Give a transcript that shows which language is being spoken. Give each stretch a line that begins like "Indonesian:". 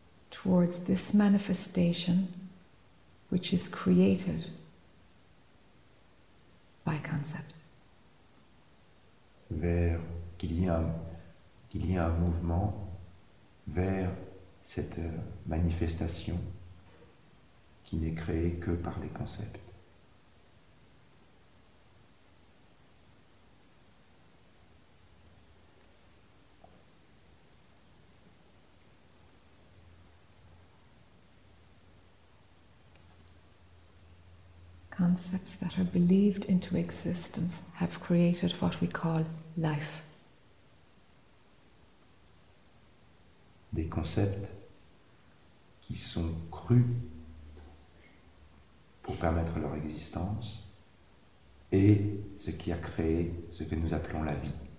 English: towards this manifestation which is created by concepts.
French: Vers qu'il y ait un mouvement vers cette manifestation qui n'est créée que par les concepts.
English: Concepts that are believed into existence have created what we call life.
French: Des concepts qui sont crus pour permettre leur existence et ce qui a créé ce que nous appelons la vie.